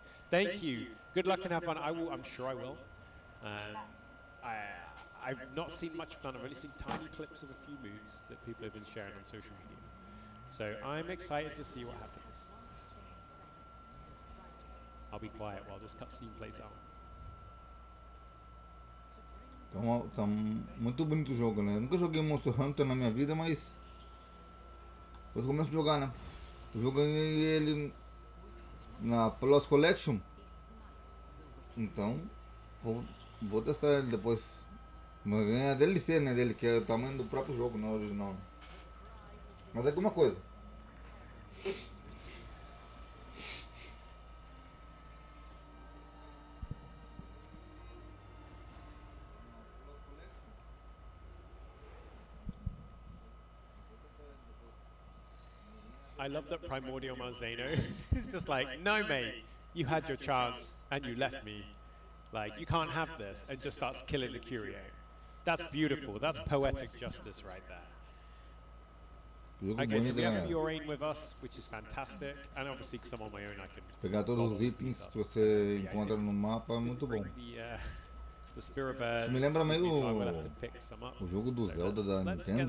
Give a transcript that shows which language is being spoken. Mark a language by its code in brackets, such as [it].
[en] thank you. Good luck and have fun. I'm sure I will. I've not seen much of none. I've only seen tiny clips of a few moves that people have been sharing on social media. So I'm excited to see what happens. I'll be quiet while this cutscene plays out. [pt] Tá muito bonito o jogo, né? Nunca joguei Monster Hunter na minha vida, mas depois começo a jogar, né? Eu joguei ele na Plus Collection. Então, vou testar ele depois. Mas ganha a DLC, né? Dele, que é o tamanho do próprio jogo, não é original. Mas é alguma coisa. [en] I love that Primordial Marzano is just like, no mate, you had your chance and you left me. Like, you can't have this, and just starts killing the Curio. That's beautiful. That's poetic justice right there. Okay, so we have Fiorain with us, which is fantastic. And obviously, because I'm on my own, I can [pt] pegar todos os itens que você encontra no mapa, é muito bom. [en] The Spear of Earth. [pt] Me lembra meio o jogo do Zelda da Nintendo.